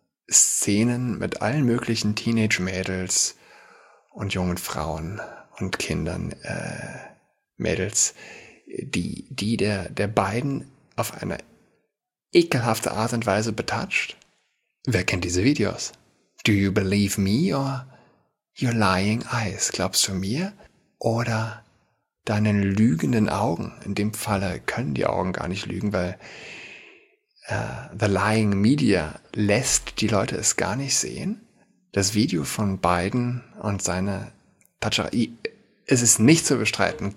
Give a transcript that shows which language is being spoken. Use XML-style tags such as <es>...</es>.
<de>Szenen mit allen möglichen Teenage-Mädels und jungen Frauen und Kindern, Mädels, die der beiden auf eine ekelhafte Art und Weise betatscht. Wer kennt diese Videos?</de> <en>Do you believe me or your lying eyes?</en> <de>Glaubst du mir oder deinen lügenden Augen? In dem Falle können die Augen gar nicht lügen, weil</de> <en>the lying media</en> <de>lässt die Leute es gar nicht sehen. Das Video von Biden und seine Tatscherei, es ist nicht zu bestreiten.</de>